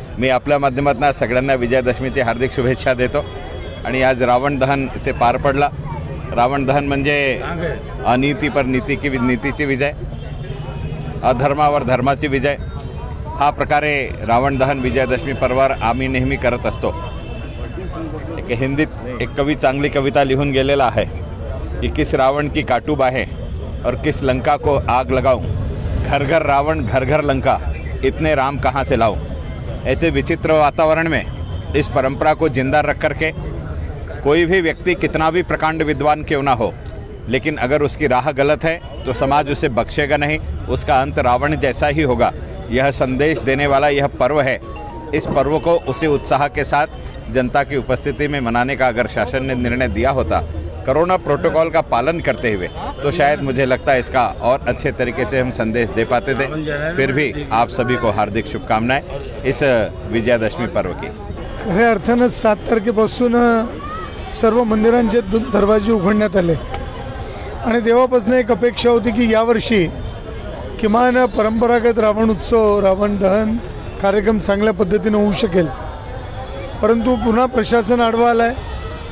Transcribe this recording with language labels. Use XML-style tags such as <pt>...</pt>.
<mr>मी आपल्या माध्यमातून सगळ्यांना विजयादशमीची हार्दिक शुभेच्छा देतो आणि आज रावण दहन इथे पार पडला। रावण दहन म्हणजे</mr> <hi>अनीती पर नीती की</hi> <mr>नीतीची विजय, अधर्मावर धर्माची विजय। हा प्रकारे रावण दहन विजयादशमी पर्वावर आम्ही नेहमी करत असतो। एक हिंदीत एक कवी चांगली कविता लिहून गेलेला आहे की</mr> <hi>किस रावण की काटू बाहे और किस लंका को आग लगाऊं, घर घर रावण घर घर लंका, इतने राम कहां से लाऊं। ऐसे विचित्र वातावरण में इस परंपरा को जिंदा रख करके कोई भी व्यक्ति कितना भी प्रकांड विद्वान क्यों ना हो, लेकिन अगर उसकी राह गलत है तो समाज उसे बख्शेगा नहीं, उसका अंत रावण जैसा ही होगा। यह संदेश देने वाला यह पर्व है। इस पर्व को उसी उत्साह के साथ जनता की उपस्थिति में मनाने का अगर शासन ने निर्णय दिया होता कोरोना प्रोटोकॉल का पालन करते हुए, तो शायद मुझे लगता है इसका और अच्छे तरीके से हम संदेश दे पाते थे। फिर भी आप सभी को हार्दिक शुभकामनाएं इस विजयादशमी पर्व की।</hi> <mr>खरे अर्थाने 7 तारखेपासून सर्व मंदिरांचे दरवाजे उघडण्यात आले आणि देवापासून एक अपेक्षा होती की यावर्षी किमान परंपरागत रावण उत्सव रावण दहन कार्यक्रम चांगल्या पद्धतीने होऊ शकेल, परंतु पुन्हा प्रशासन आडवं आलं आहे।</mr>